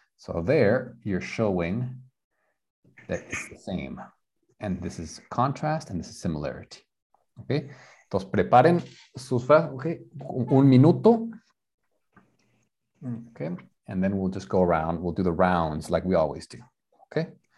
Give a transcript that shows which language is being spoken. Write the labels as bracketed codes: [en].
[en] So there, you're showing that it's the same. And this is contrast and this is similarity. [es] Okay, entonces preparen sus frases, okay, un minuto. [en] Okay, and then we'll just go around, we'll do the rounds like we always do, okay?